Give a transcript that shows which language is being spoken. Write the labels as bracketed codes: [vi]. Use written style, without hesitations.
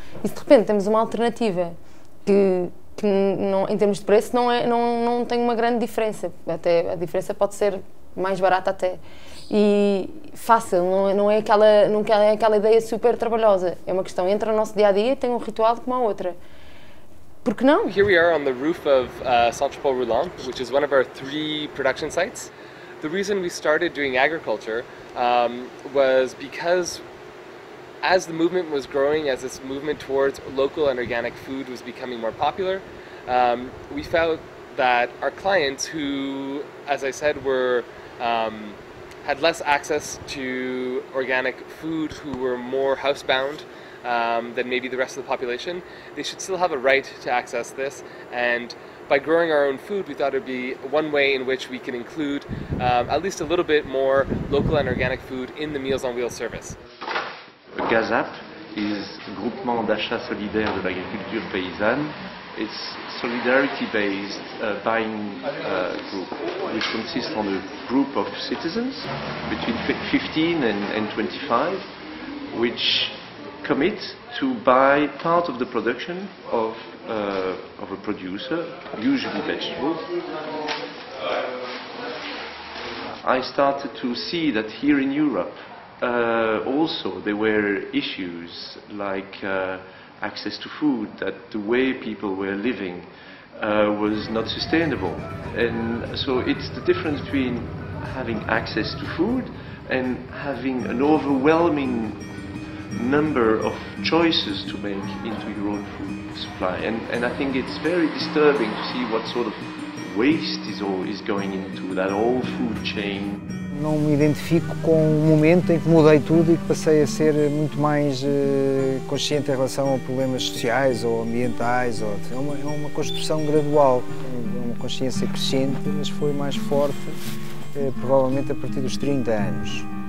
[pt] E se de repente temos uma alternativa que não, em termos de preço não tem uma grande diferença, até a diferença pode ser mais barata até e fácil, não é aquela ideia super trabalhosa, é uma questão, entra no nosso dia a dia, tem um ritual como a outra, por que não? [en] Here we are on the roof of Centre Paul Roulant, which is one of our three production sites. The reason we started doing agriculture was because as the movement was growing, as this movement towards local and organic food was becoming more popular, we found that our clients, who, as I said, were had less access to organic food, who were more housebound than maybe the rest of the population, they should still have a right to access this. And by growing our own food, we thought it'd be one way in which we can include at least a little bit more local and organic food in the Meals on Wheels service. GASAP is Groupement d'achat solidaire de l'agriculture paysanne. It's solidarity-based buying group, which consists on a group of citizens between 15 and 25, which commit to buy part of the production of a producer, usually vegetables. I started to see that here in Europe, also, there were issues like access to food, that the way people were living was not sustainable. And so it's the difference between having access to food and having an overwhelming number of choices to make into your own food supply. And I think it's very disturbing to see what sort of waste is going into that whole food chain. [pt] Não me identifico com o momento em que mudei tudo e que passei a ser muito mais consciente em relação a problemas sociais ou ambientais. É uma construção gradual, uma consciência crescente, mas foi mais forte provavelmente a partir dos 30 anos.